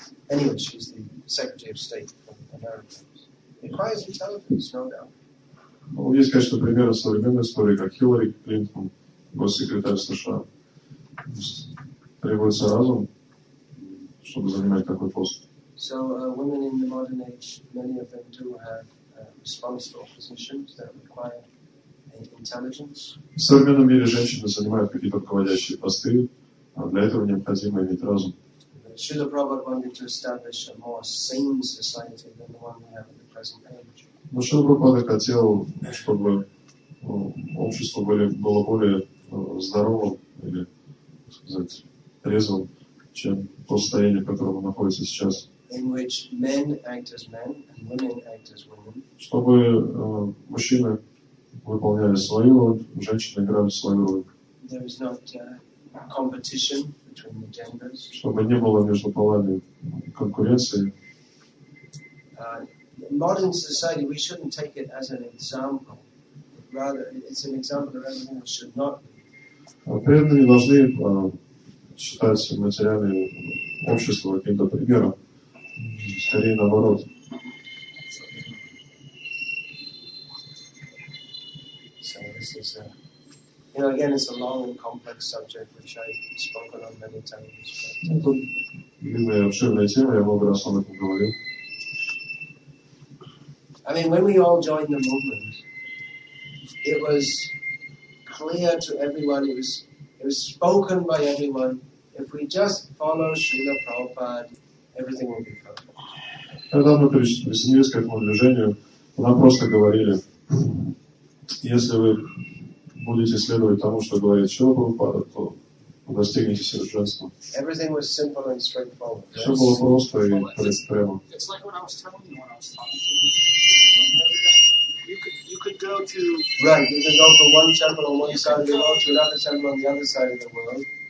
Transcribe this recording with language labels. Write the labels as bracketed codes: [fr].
[en] Anyway, she's the Secretary of State for America. Requires intelligence, no doubt. [ru] Well, есть, конечно, примеры современной истории, как Хиллари Клинтон, госсекретарь США. Требуется разум, чтобы занимать такой пост. [en] So, women in the modern age, many of them do have responsible positions that require intelligence. [ru] В современном мире женщины занимают какие-то руководящие посты, а для этого необходимо иметь разум. [en] Srila Prabhupada wanted to establish a more sane society than the one we have at the present age. [ru] Но Srila Prabhupada хотел, чтобы общество было более здоровым, или, так сказать, резвым, чем то состояние, в котором он находится сейчас. [en] In which men act as men and women act as women. [ru] Чтобы мужчины выполняли свою роль, женщины играли свою роль. [en] There is not competition between the genders. [ru] Чтобы не было между полами конкуренции. [en] In modern society, we shouldn't take it as an example. Rather, it's an example that everyone should not be. [ru] При этом не должны считаются материальным обществом каким-то примером. Скорее наоборот. [en] So this is a, you know, again, it's a long and complex subject which I've spoken on many times. [ru] Это любимая обширная тема, я много раз об этом говорил. [en] I mean, when we all joined the movement, it was clear to everyone, it was spoken by everyone, if we just follow Srila Prabhupada, everything will be perfect. [ru] Когда мы присоединились к этому движению, нам просто говорили, если вы будете следовать тому, что говорит Шрила Прабхупада, то достигнете совершенства. [en] Everything was simple and straightforward. [ru] Все было просто и прямо. [en] It's like when I was telling you when I was talking to you could go from one temple on one side of the world to another temple on the other side of the world.